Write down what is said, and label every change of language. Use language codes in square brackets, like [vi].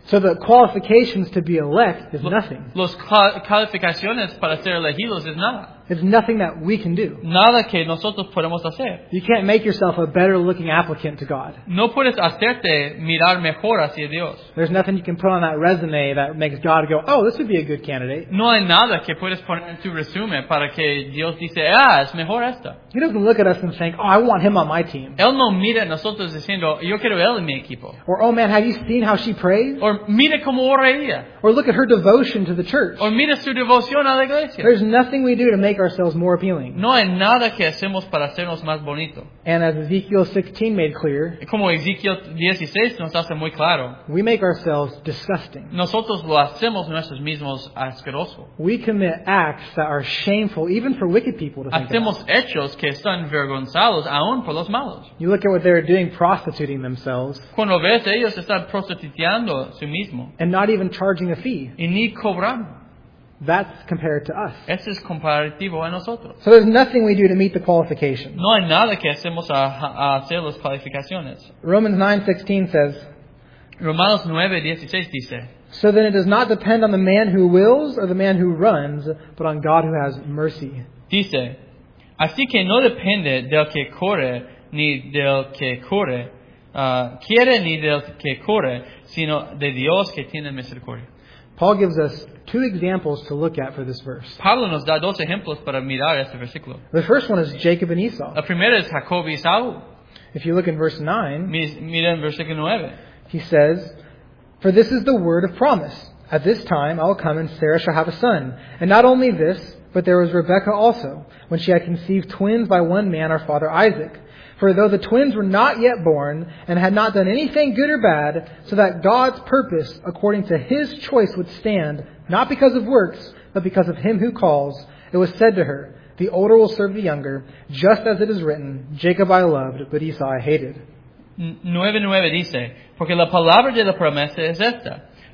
[en] So the qualifications to be elect is nothing. [es] Los calificaciones para ser elegidos es nada. [en] It's nothing that we can do. [es] Nada que nosotros podemos hacer. [en] You can't make yourself a better looking applicant to God. [es] No puedes hacerte mirar mejor hacia Dios. [en] There's nothing you can put on that resume that makes God go, oh, this would be a good candidate. [es] No hay nada que puedes poner en tu resume para que Dios dice, ah, es mejor esta. [en] He doesn't look at us and think, oh, I want him on my team. [es] Él no mira a nosotros diciendo, yo quiero él en mi equipo. [en] Or, oh man, have you seen how she prays? [es] Or, mira cómo ora ella. [en] Or look at her devotion to the church. [es] Or mira su devoción a la iglesia. [en] There's nothing we do to make make ourselves more appealing. [es] No hay nada que hacemos para hacernos más bonito. [en] And as Ezekiel 16 made clear, [es] como Ezekiel 16 nos hace muy claro, [en] we make ourselves disgusting. [es] Nosotros lo hacemos nosotros mismos asqueroso. [en] We commit acts that are shameful even for wicked people to [es] think hacemos [en] about. [es] Hechos que están vergonzados aún por los malos. [en] You look at what they're doing, prostituting themselves. [es] Cuando ves, ellos están prostituyendo a sí mismo. [en] And not even charging a fee. [es] Y ni cobrando. [en] That's compared to us. [es] Eso es comparativo a nosotros. [en] So there's nothing we do to meet the qualifications. [es] No hay nada que hacemos a hacer las calificaciones. [en] Romans 9:16 says, [es] Romanos 9:16 dice, [en] so then it does not depend on the man who wills or the man who runs, but on God who has mercy. [es] Dice, así que no depende del que corre ni del que corre, quiere ni del que corre, sino de Dios que tiene misericordia. [en] Paul gives us two examples to look at for this verse. [es] Pablo nos da dos ejemplos para mirar este versículo. [en] The first one is Jacob and Esau. [es] El primero es Jacob y Esau. [en] If you look in verse 9, [es] mira en versículo 9. [en] He says, for this is the word of promise. At this time I will come and Sarah shall have a son. And not only this, but there was Rebekah also, when she had conceived twins by one man, our father Isaac. For though the twins were not yet born, and had not done anything good or bad, so that God's purpose, according to his choice, would stand, not because of works, but because of him who calls, it was said to her, the older will serve the younger, just as it is written, Jacob I loved, but Esau I hated. [es] 9:9 dice, porque la palabra de la promesa es esta.